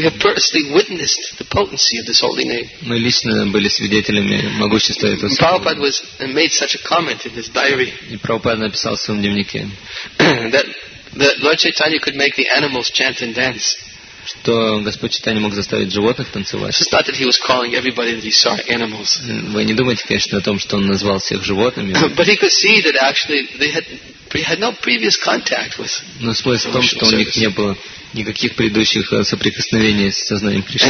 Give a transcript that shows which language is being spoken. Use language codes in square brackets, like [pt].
[en] We have personally witnessed the potency of this holy name. [ru] Мы лично были свидетелями могущества этого святого. [en] Prabhupada was made such a comment in his diary. [ru] И Прабхупада написал в своем дневнике, [en] that Lord Chaitanya could make the animals chant and dance. [ru] Что Господь Чайтанья мог заставить животных танцевать. Вы не думаете, конечно, о том, что Он назвал всех животными. Но смысл в том, что у них не было никаких предыдущих соприкосновений с сознанием